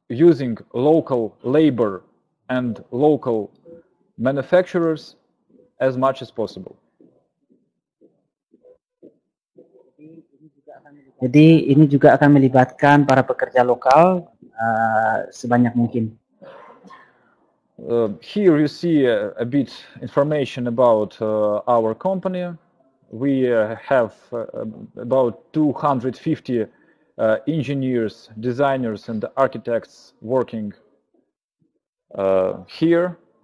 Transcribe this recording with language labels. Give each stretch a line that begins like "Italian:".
English: Using local labor and local manufacturers as much as possible.
Indonesian: Jadi ini juga akan melibatkan para pekerja lokal sebanyak mungkin.
English: Here you see a bit information about our company. We have about 250 engineers, designers and architects working here.